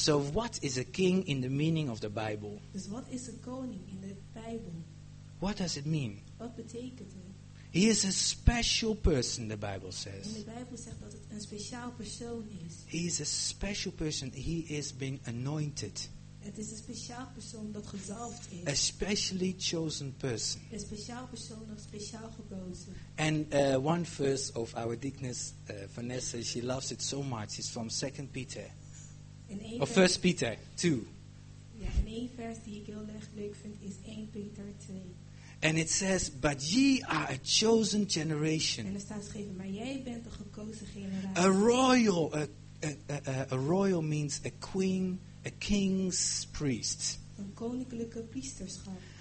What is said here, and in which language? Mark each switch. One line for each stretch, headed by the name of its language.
English: So what is a king in the meaning of the Bible?
Dutch: Dus wat is een koning in de Bijbel?
English: What does it mean?
Dutch: Wat betekent het?
English: He is a special person, the Bible says.
Dutch: In de Bijbel zegt dat het een speciaal persoon is.
English: He is a special person. He is being anointed.
Dutch: Het is een speciaal persoon dat gezalfd is.
English: A specially chosen person.
Dutch: Een speciaal persoon dat speciaal gekozen.
English: And one verse of our deaconess, Vanessa, she loves it so much. It's from 2 Peter. Of 1 Peter 2.
Dutch: Ja, en één vers die ik heel erg leuk vind is 1 Peter 2.
English: And it says, but ye are a chosen generation.
Dutch: En er staat geschreven, maar jij bent een gekozen generatie.
English: A royal, a royal means a queen, a king's priest.
Dutch: Een koninklijke priesterschap.